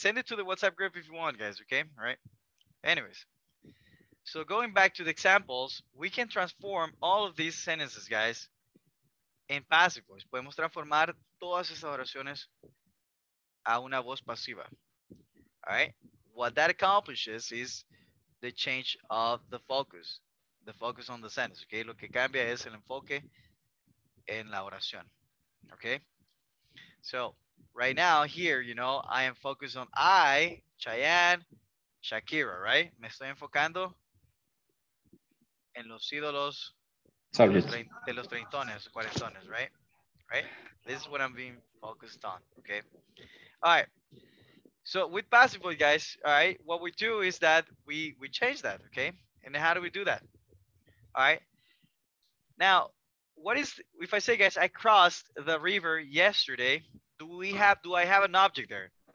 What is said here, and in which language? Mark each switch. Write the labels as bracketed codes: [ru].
[en] Send it to the WhatsApp group if you want, guys, okay? All right? Anyways, so going back to the examples, we can transform all of these sentences, guys, in passive voice. [es] Podemos transformar todas esas oraciones a una voz pasiva. All right? [en] What that accomplishes is the change of the focus on the sentence, okay? [es] Lo que cambia es el enfoque en la oración, okay? [en] So, right now, here, you know, I am focused on I, Cheyenne, Shakira, right? [es] Me estoy enfocando en los ídolos de los treintones, cuarentones, right? [en] Right? This is what I'm being focused on, okay? All right. So with passive voice, guys, all right, what we do is that we change that, okay? And how do we do that? All right. Now, what is, if I say, guys, I crossed the river yesterday, do I have an object there?